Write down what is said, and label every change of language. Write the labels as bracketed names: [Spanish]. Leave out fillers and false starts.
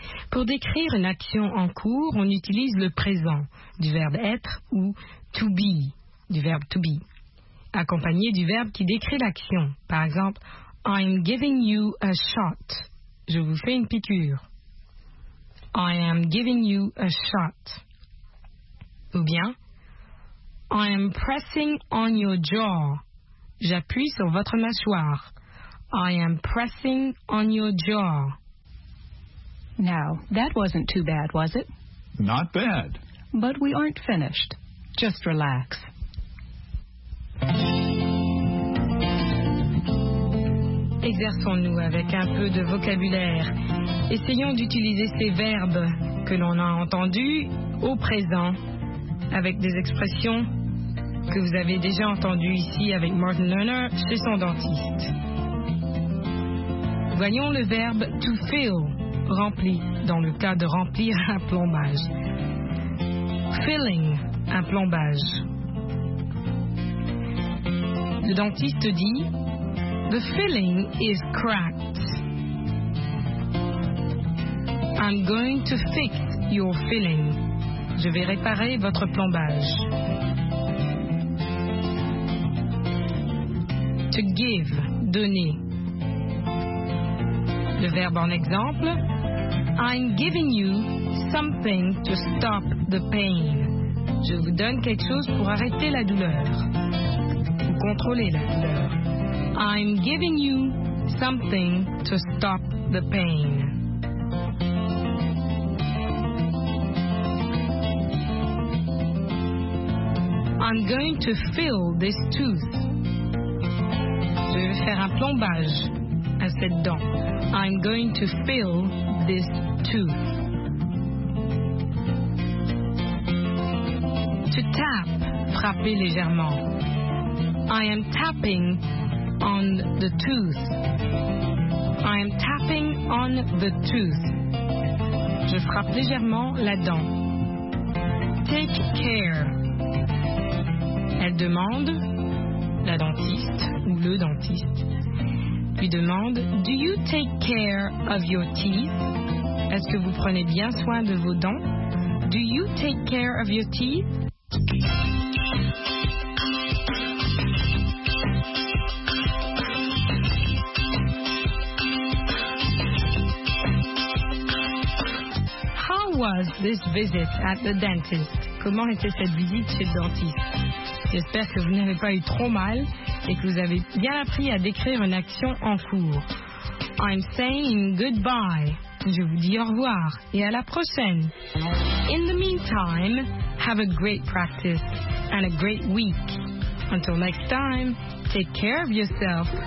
[French] Pour décrire une action en cours, on utilise le présent du verbe être ou to be, du verbe to be, accompagné du verbe qui décrit l'action. Par exemple, [English] I'm giving you a shot. [French] Je vous fais une piqûre. [English] I am giving you a shot. Ou bien, I am pressing on your jaw. [French] J'appuie sur votre mâchoire. [English] I am pressing on your jaw. Now, that wasn't too bad, was it? Not bad. But we aren't finished. Just relax. [French] Exerçons-nous avec un peu de vocabulaire. Essayons d'utiliser ces verbes que l'on a entendus au présent avec des expressions que vous avez déjà entendues ici avec Martin Lerner chez son dentiste. Voyons le verbe to fill, rempli, dans le cas de remplir un plombage. Filling, un plombage. Le dentiste dit [English] the filling is cracked. I'm going to fix your filling. [French] Je vais réparer votre plombage. [English] To give, donner. [French] Le verbe en exemple, [English] I'm giving you something to stop the pain. [French] Je vous donne quelque chose pour arrêter la douleur. Pour contrôler la douleur. [English] I'm giving you something to stop the pain. I'm going to fill this tooth. [French] Je vais faire un plombage à cette dent. [English] I'm going to fill this tooth. To tap, [French] frapper légèrement. [English] I am tapping on the tooth. I am tapping on the tooth. [French] Je frappe légèrement la dent. [English] Take care. [French] Elle demande, la dentiste ou le dentiste, lui demande, [English] do you take care of your teeth? [French] Est-ce que vous prenez bien soin de vos dents? [English] Do you take care of your teeth? How was this visit at the dentist? [French] Comment était cette visite chez le dentiste? J'espère que vous n'avez pas eu trop mal et que vous avez bien appris à décrire une action en cours. [English] I'm saying goodbye. [French] Je vous dis au revoir et à la prochaine. [English] In the meantime, have a great practice and a great week. Until next time, take care of yourself.